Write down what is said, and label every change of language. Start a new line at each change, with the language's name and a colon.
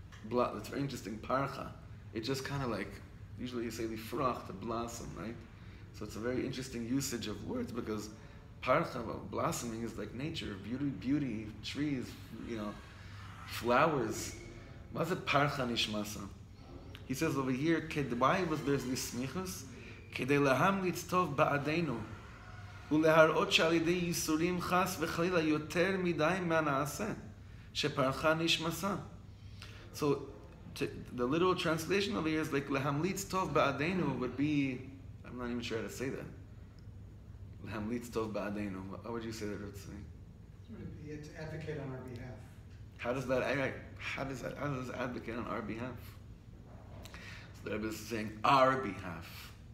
English: That's very interesting, parcha. It just kind of like, usually you say lifrach, to blossom, right? So it's a very interesting usage of words, because parcha, well, blossoming is like nature, beauty, trees, you know, flowers. What's it, parcha nishmasa? He says over here, why was there this smichus?
Hebrew: כדי להמליץ טוב בעדינו ולהראות שעל ידי ייסורים חס וחלילה יותר מדי מה נעשה שפרחה נשמסה.
English: So the literal translation of it is like
Hebrew: להמליץ טוב בעדינו
English: would be, I'm not even sure how to say that.
Hebrew: להמליץ טוב בעדינו.
English: How would you say that? To advocate on our behalf. How does advocate on our behalf? So the Rebbe is saying our behalf.